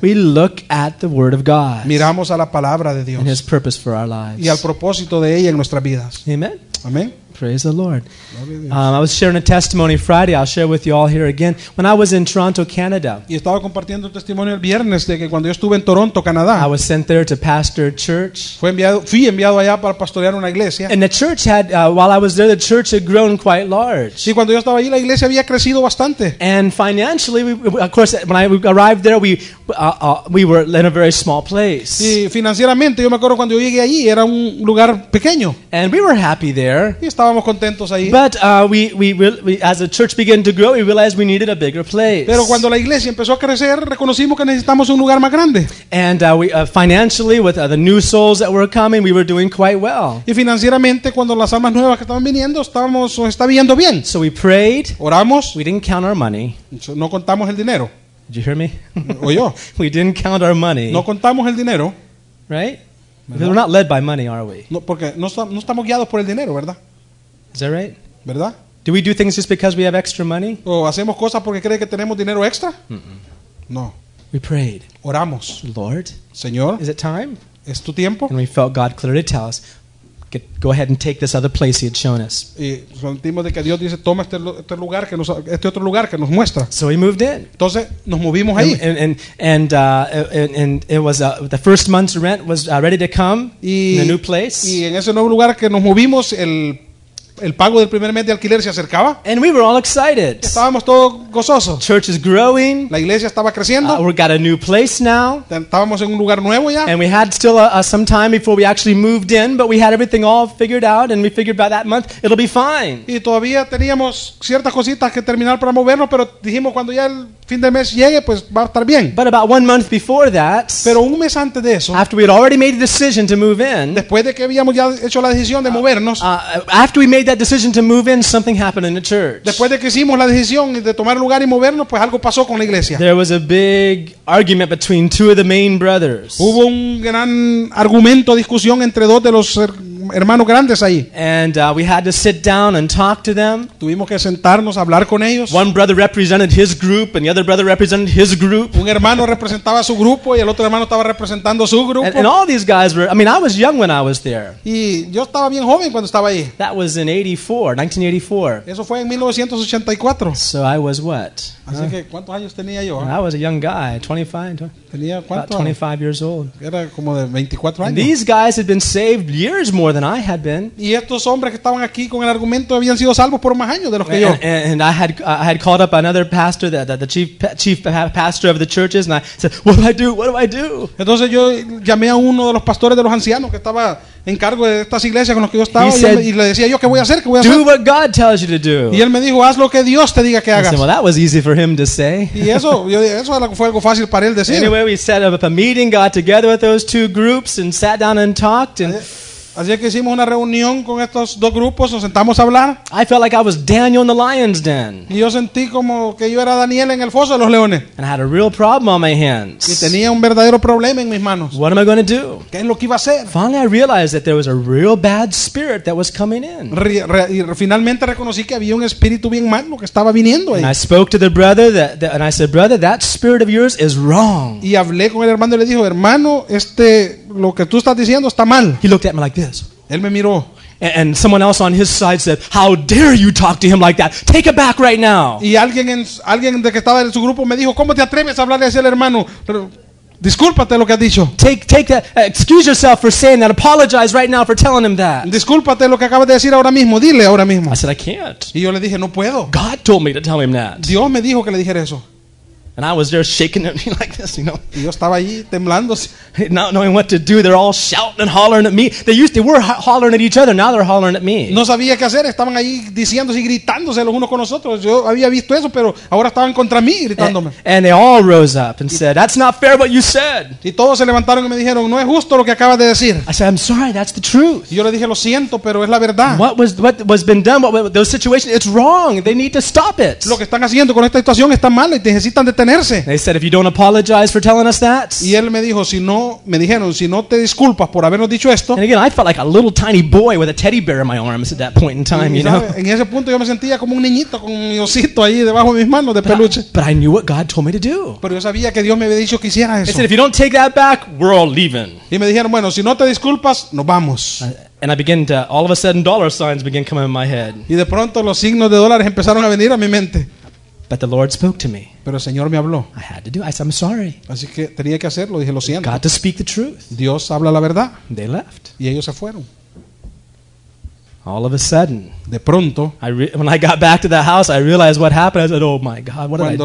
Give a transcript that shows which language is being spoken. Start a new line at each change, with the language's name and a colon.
English: We look at the word of God.
Spanish: Miramos a la palabra de Dios.
English: And his purpose for our lives.
Spanish: Y al propósito de ella en nuestras vidas.
English: Amen.
Spanish: Amén.
English: Praise the Lord. I was sharing a testimony Friday. I'll share with you all here again. When I was in Toronto, Canada.
Spanish: Y estaba compartiendo un testimonio el viernes de que cuando yo estuve en Toronto, Canadá.
English: I was sent there to pastor a church.
Spanish: Fui enviado allá para pastorear una iglesia.
English: And the church had, while I was there, the church had grown quite large.
Spanish: Y cuando yo estaba allí, la iglesia había crecido bastante.
English: And financially, we were in a very small place.
Spanish: Y financieramente, yo me acuerdo cuando yo llegué allí, era un lugar pequeño.
English: And we were happy there.
Spanish: Estábamos contentos ahí.
English: But we as the church began to grow, we realized we needed a bigger place.
Spanish: Pero cuando la iglesia empezó a crecer, reconocimos que necesitamos un lugar más grande.
English: And financially, with the new souls that were coming, we were doing quite well.
Spanish: Y financieramente, cuando las almas nuevas que estaban viniendo, estaba yendo bien.
English: So we prayed.
Spanish: Oramos.
English: We didn't count our money.
Spanish: No contamos el dinero.
English: Did you hear me?
Spanish: Oyó.
English: We didn't count our money.
Spanish: No contamos el dinero.
English: Right? Because we're not led by money, are we?
Spanish: No, porque no estamos guiados por el dinero, ¿verdad?
English: Is that right?
Spanish: ¿Verdad?
English: Do we do things just because we have extra money?
Spanish: ¿O hacemos cosas porque cree que tenemos dinero extra? Mm-mm. No.
English: We prayed.
Spanish: Oramos.
English: Lord.
Spanish: Señor.
English: Is it time?
Spanish: ¿Es tu tiempo?
English: And we felt God clearly tell us, go ahead and take this other place he had shown us.
Spanish: Y sentimos de que Dios dice, toma este lugar que nos, este otro lugar que nos muestra.
English: So he moved in.
Spanish: Entonces nos movimos ahí.
English: And it was the first month's rent was ready to come
Spanish: y,
English: in a new place.
Spanish: Y en ese nuevo lugar que nos movimos el pago del primer mes de alquiler se acercaba.
English: And we were all excited.
Spanish: Estábamos todos gozosos.
English: Church is growing.
Spanish: La iglesia estaba creciendo.
English: We got a new place now.
Spanish: Estábamos en un lugar nuevo ya.
English: And we had still some time before we actually moved in, but we had everything all figured out, and we figured by that month it'll be fine.
Spanish: Y todavía teníamos ciertas cositas que terminar para movernos, pero dijimos cuando ya el fin de mes llegue, pues va a estar bien.
English: But about 1 month before that,
Spanish: pero un mes antes de eso,
English: after we had already made the decision to move in,
Spanish: después de que habíamos ya hecho la decisión de movernos,
English: after we made that decision to move in, something happened in the church.
Spanish: Después de que hicimos la decisión de tomar lugar y movernos, pues algo pasó con la iglesia.
English: There was a big argument between two of the main brothers.
Spanish: Hubo un gran argumento, discusión entre dos de los hermanos grandes ahí.
English: And we had to sit down and talk to them.
Spanish: Tuvimos que sentarnos a hablar con ellos.
English: One brother represented his group and the other brother represented his group.
Spanish: Un hermano representaba su grupo y el otro hermano estaba representando su grupo.
English: And all these guys were, I mean, I was young when I was there.
Spanish: Y yo estaba bien joven cuando estaba ahí.
English: That was in 1984.
Spanish: Eso fue en 1984.
English: So I was what?
Spanish: Así que ¿cuántos años tenía yo?
English: I was a young guy, 25.
Spanish: Tenía cuánto?
English: About 25 years old.
Spanish: Era como de 24 años.
English: And these guys had been saved years more than I had been.
Spanish: Y estos hombres que estaban aquí con el argumento habían sido salvos por más años de los que yo.
English: And I had called up another pastor, the chief pastor of the churches, and I said, "What do I do? What do I do?"
Spanish: Entonces yo llamé a uno de los pastores de los ancianos que estaba en cargo de estas iglesias con los que yo estaba,
English: said,
Spanish: y le decía yo, ¿qué voy a hacer? ¿Qué voy a
English: do
Spanish: hacer?
English: What God tells you to do.
Spanish: Y él me dijo, haz lo que Dios te diga que hagas.
English: Said, well, that was easy for him to say.
Spanish: Y eso, yo dije, eso fue algo fácil para él decir.
English: Anyway, we set up a meeting, got together with those two groups, and sat down and talked. And
Spanish: así es que hicimos una reunión con estos dos grupos, nos sentamos a hablar.
English: I felt like I was Daniel in the lion's den.
Spanish: Y yo sentí como que yo era Daniel en el foso de los leones.
English: And I had a real problem on my hands.
Spanish: Y tenía un verdadero problema en mis manos.
English: What am I going to do?
Spanish: ¿Qué es lo que iba a hacer?
English: Finally, I realized that there was a real bad spirit that was coming in.
Spanish: Y finalmente reconocí que había un espíritu bien malo que estaba viniendo ahí.
English: And I spoke to the brother and I said, brother, that spirit of yours is wrong.
Spanish: Y hablé con el hermano y le dijo, hermano, lo que tú estás diciendo está mal.
English: He looked at me like this.
Spanish: Él me miró.
English: And someone else on his side said, "How dare you talk to him like that? Take it back right now."
Spanish: Y alguien de que estaba en su grupo me dijo, "¿Cómo te atreves a hablarle así al hermano? Pero discúlpate lo que has dicho."
English: Take that. Excuse yourself for saying that. Apologize right now for telling him that.
Spanish: Discúlpate lo que acabas de decir ahora mismo. Dile ahora mismo.
English: I said, "I can't."
Spanish: Y yo le dije, "No puedo."
English: God told me to tell him that.
Spanish: Dios me dijo que le dijera eso.
English: And I was there shaking at me like this, you know.
Spanish: Y yo estaba ahí temblando,
English: not knowing what to do. They're all shouting and hollering at me. They were hollering at each other. Now they're hollering at me.
Spanish: No sabía qué hacer. Estaban ahí diciéndose y gritándose los unos con los otros. Yo había visto eso, pero ahora estaban contra mí gritándome.
English: And they all rose up and said, "That's not fair what you said."
Spanish: Y todos se levantaron y me dijeron, "No es justo lo que acabas de decir."
English: I said, "I'm sorry. That's the truth."
Spanish: Y yo le dije, "Lo siento, pero es la verdad."
English: What was been done? What those situations? It's wrong. They need to stop it.
Spanish: Lo que están haciendo con esta situación está mal y necesitan detener.
English: They said, "If you don't apologize for telling us that."
Spanish: Y él me dijo, me dijeron, si no te disculpas por habernos dicho esto.
English: And again, I felt like a little tiny boy with a teddy bear in my arms at that point in time, you know.
Spanish: En ese punto yo me sentía como un niñito con mi osito ahí debajo de mis manos de peluche.
English: But I knew what God told me to do.
Spanish: Pero yo sabía que Dios me había dicho que hiciera eso.
English: They said, "If you don't take that back, we're all leaving."
Spanish: Y me dijeron, bueno, si no te disculpas, nos vamos.
English: And I began to, all of a sudden, dollar signs began coming in my head.
Spanish: Y de pronto los signos de dólares empezaron a venir a mi mente.
English: But the Lord spoke to me.
Spanish: Pero el Señor me habló.
English: I had to do it. I said, "I'm sorry."
Spanish: Así que tenía que hacerlo. Dije, lo siento.
English: Got to speak the truth.
Spanish: Dios habla la verdad.
English: They left.
Spanish: Y ellos se fueron.
English: All of a sudden,
Spanish: de pronto,
English: when I got back to the house, I realized what happened. I said, "Oh my God, what did I do?"